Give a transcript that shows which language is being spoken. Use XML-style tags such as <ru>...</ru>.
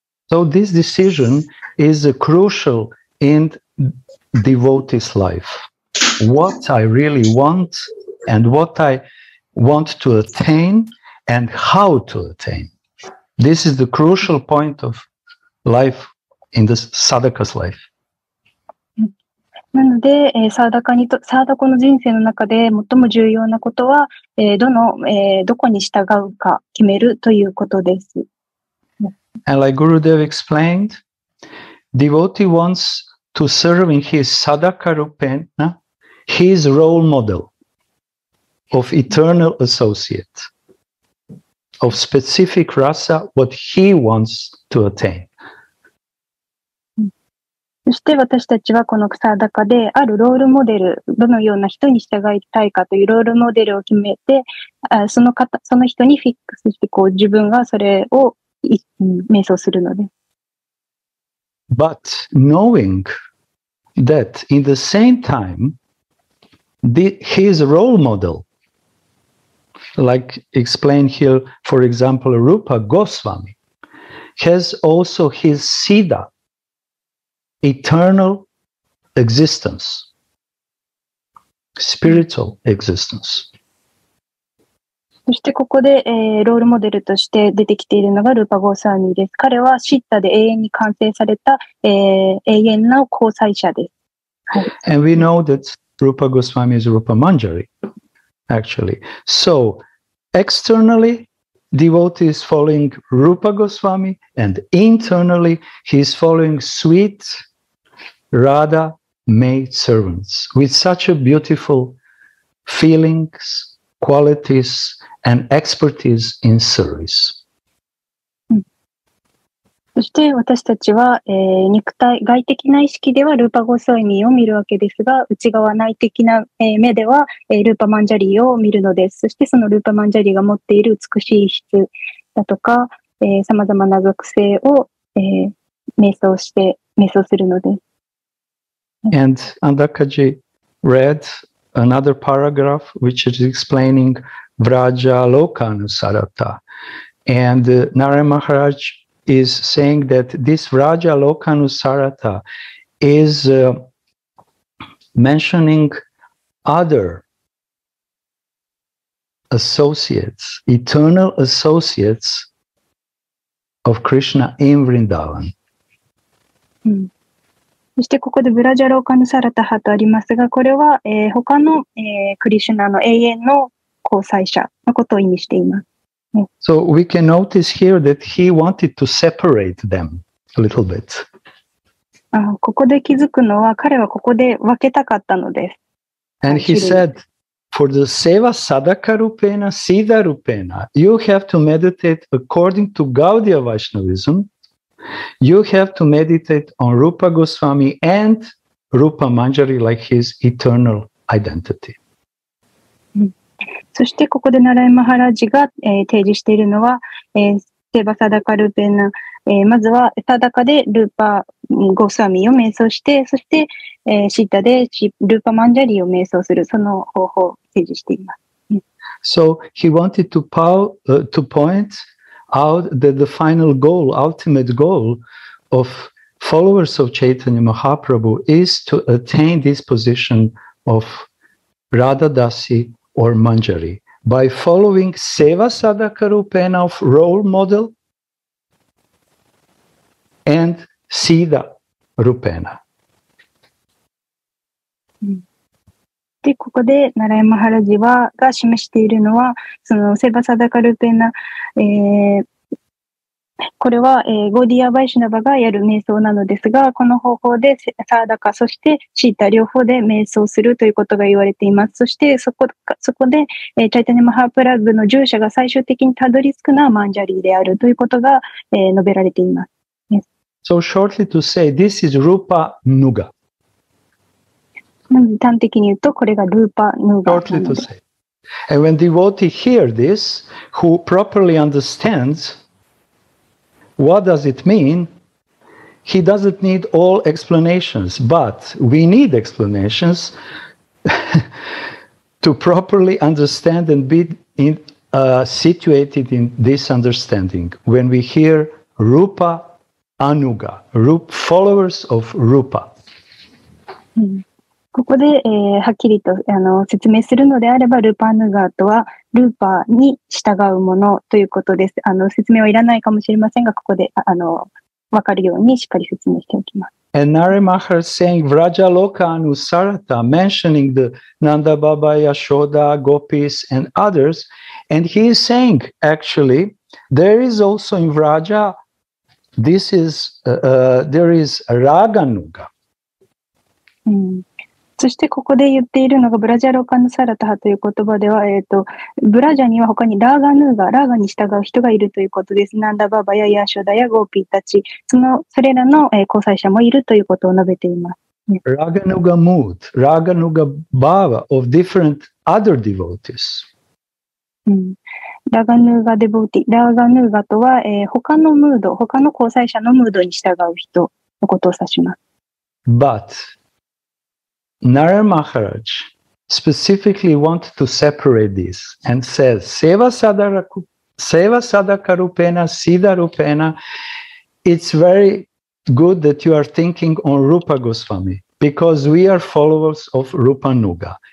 <en>So this decision is crucial in devotee's life, what I really want and what I want to attain and how to attain. This is the crucial point of life in the sadhaka's life.</en> <ja>なので、サーダカにと、サーダコの人生の中で最も重要なことは、どの、どこに従うか決めるということです。</ja> <en>And like Gurudev explained, devotee wants to serve in his sadhaka rupena, his role model of eternal associate, of specific rasa, what he wants to attain.</en> <ja>そして私たちはこの草高であるロールモデル、どのような人に従いたいかというロールモデルを決めて、その方、その人にフィックスして、こう自分がそれを瞑想するのです。</ja> <en>But knowing that in the same time, the, his role model, like explained here, for example, Rupa Goswami, has also his Siddha. Eternal existence, spiritual existence.</en> <ja>そしてここで、ロールモデルとして出てきているのがルーパゴーサーニーです。彼はシッタで永遠に完成された、永遠な交際者です。</ja> <en>And we know that Rupa Goswami is Rupa Manjari, actually. So, externally, devotee is following Rupa Goswami, and internally, he is following sweetRadha made servants with such a beautiful feelings, qualities, and expertise in service.</en> <ja>そして私たちは、肉体外的な意識ではルーパゴスワミを見るわけですが、内側内的な、目では、ルーパマンジャリを見るのです。そしてそのルーパマンジャリが持っている美しい質だとか、さまざまな属性を、瞑想して瞑想するのです。</ja> <en>And Andakaji read another paragraph which is explaining Vraja Loka Anusarata. And Narayana Maharaj is saying that this Vraja Loka Anusarata is mentioning other associates, eternal associates of Krishna in Vrindavan.、</en> <ja>そしてここでブラジャローカヌサラタハとありますが、これは、他の、クリシュナの永遠の交際者のことを意味しています。ね、</ja> <en>so we can notice here that he wanted to separate them a little bit.</en> <ja>ここで気づくのは彼はここで分けたかったのです。</ja> <en>And he said, for the seva sadaka rupena, siddha rupena, you have to meditate according to Gaudiya Vaishnavism. You have to meditate on Rupa Goswami and Rupa Manjari like his eternal identity.</en> <ja>そしてここでナラヤマハラジが、提示しているのは、セバサダカルーペナ、まずはサダカでルーパゴスワミを瞑想して、そして、シッタでルーパマンジャリを瞑想するその方法を提示しています。</ja> <en>So he wanted to point. Out that the final goal, ultimate goal of followers of Chaitanya Mahaprabhu is to attain this position of Radha Dasi or Manjari by following Seva Sadaka Rupena of role model and Siddha Rupena.</en> <ja>でここで奈良山原寺はが示しているのはそのセバサダカルペナ、これは、ゴディアバイシュナバがやる瞑想なのですがこの方法でサーダカそしてシータ両方で瞑想するということが言われていますそしてそこで、チャイタニマハープラグの従者が最終的にたどり着くのはマンジャリーであるということが、述べられています、</ja> <en>yes. So shortly to say this is Rupa Nuga.</en> <ja>端的に言うとこれがルーパヌーガなのです。</ja> <en>And when devotee hear this, who properly understands what does it mean, he doesn't need all explanations, but we need explanations to properly understand and be in, situated in this understanding. When we hear Rupa Anuga, followers of Rupa.</en> <ja>ここで、はっきりと説明するのであれば、ルーパーヌガートはルーパーに従うものということです。説明はいらないかもしれませんが、ここで分かるようにしっかり説明しておきます。</ja> <en>And Narimaha saying Vraja Loka Anusarata, mentioning the Nanda Baba, Yashoda, Gopis and others, and he is saying actually there is also in Vraja, this is there is Raga Nuga.</en> <ja>そしてここで言っているのがブラジャロカヌサラタハという言葉では、ブラジャには他にラーガヌーガ、ラーガに従う人がいるということです。ナンダババやヤーショダやゴーピーたち、それらの、交際者もいるということを述べています。</ja> <en>ラーガヌーガムーツ、ラーガヌーガバーバー of different other devotees、</en> <ja>うん。ラーガヌーガデボーティ、ラーガヌーガとは、他のムード、他の交際者のムードに従う人のことを指します。</ja> <en>But... Narayana Maharaj specifically wanted to separate this and says, Seva Sadaka Rupena, Siddha Rupena, it's very good that you are thinking on Rupa Goswami because we are followers of Rupa Nuga.</en>